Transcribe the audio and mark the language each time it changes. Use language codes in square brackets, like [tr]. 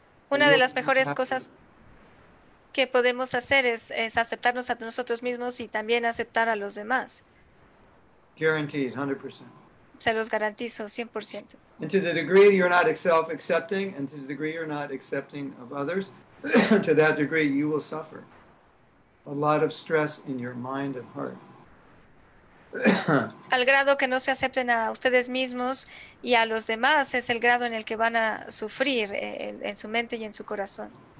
[es] Una de las mejores cosas que podemos hacer es aceptarnos a nosotros mismos y también aceptar a los demás. [en] Guaranteed, 100%. [es] Se los garantizo, 100%. [en] And to the degree you're not self-accepting and to the degree you're not accepting of others, to that degree you will suffer. A lot of stress in your mind and heart. [es] Al grado que no se acepten a ustedes mismos y a los demás es el grado en el que van a sufrir en su mente y en su corazón.